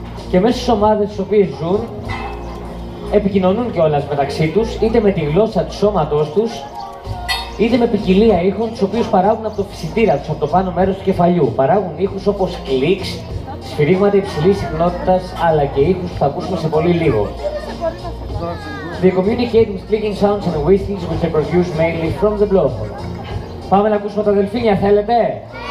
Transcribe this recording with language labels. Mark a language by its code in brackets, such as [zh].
[el] Και μέσα στις ομάδες στις οποίες ζουν, επικοινωνούν κιόλας μεταξύ τους, είτε με τη γλώσσα του σώματός τους, είτε με ποικιλία ήχων, τους οποίους παράγουν από το φυσιτήρα τους, από το πάνω μέρος του κεφαλιού. Παράγουν ήχους όπως κλικς, σφυρίγματα υψηλής συχνότητας, αλλά και ήχους που θα ακούσουμε σε πολύ λίγο. [en] They communicate with clicking sounds and whistles, which they produce mainly from the blowhole. [el] Πάμε να ακούσουμε τα δελφίνια, θέλετε?